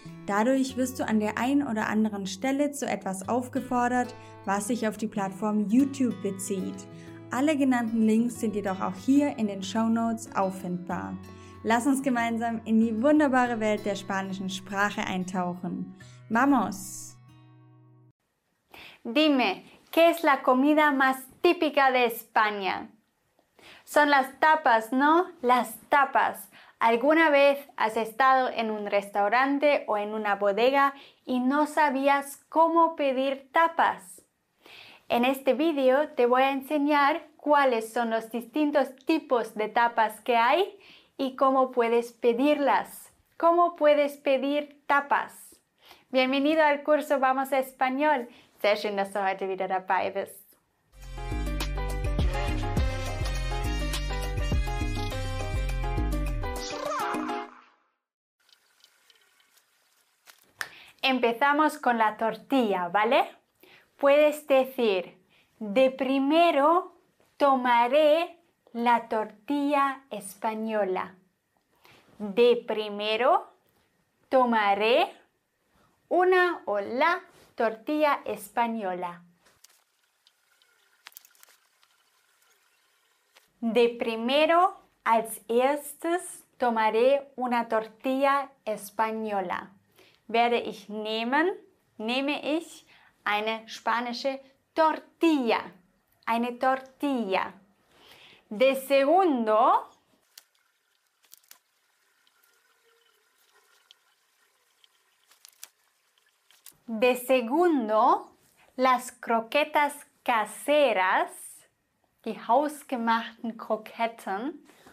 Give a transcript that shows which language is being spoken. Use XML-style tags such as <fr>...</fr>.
<de>Dadurch wirst du an der einen oder anderen Stelle zu etwas aufgefordert, was sich auf die Plattform YouTube bezieht. Alle genannten Links sind jedoch auch hier in den Shownotes auffindbar. Lass uns gemeinsam in die wunderbare Welt der spanischen Sprache eintauchen.</de> <es>¡Vamos! Dime, ¿qué es la comida más típica de España? Son las tapas, ¿no? Las tapas. ¿Alguna vez has estado en un restaurante o en una bodega y no sabías cómo pedir tapas? En este vídeo te voy a enseñar cuáles son los distintos tipos de tapas que hay y cómo puedes pedirlas. ¿Cómo puedes pedir tapas? Bienvenido al curso Vamos a Español.</es> <de>Sehr schön, dass du heute wieder dabei bist.</de> <es>Empezamos con la tortilla, ¿vale? Puedes decir, de primero tomaré la tortilla española. De primero tomaré una o la tortilla española. De primero,</es> <de>als erstes,</de> <es>tomaré una tortilla española.</es> <de>Werde ich nehmen, nehme ich eine spanische Tortilla. Eine Tortilla.</de> <es>De segundo, las croquetas caseras,</es> <de>die hausgemachten Kroketten,</de>